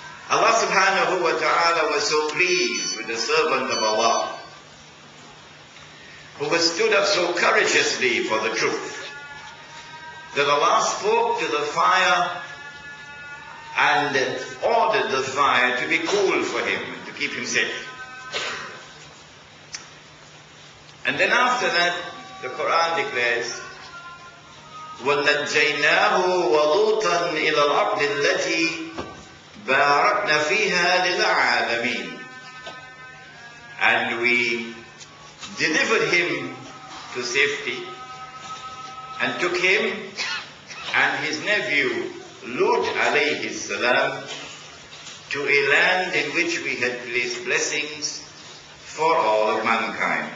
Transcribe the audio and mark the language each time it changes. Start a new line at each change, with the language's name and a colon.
English: Allah subhanahu wa ta'ala was so pleased with the servant of Allah who has stood up so courageously for the truth that Allah spoke to the fire and ordered the fire to be cool for him, to keep him safe.
Arabic: And then after that, the Quran declares, وَنَجَّيْنَاهُ وَلُوطًا إِلَى الْأَرْضِ الَّتِي بَارَكْنَا فِيهَا لِلْعَالَمِينَ.
English: And we delivered him to safety and took him and his nephew Lut alayhi salam to a land in which we had placed blessings for all of mankind.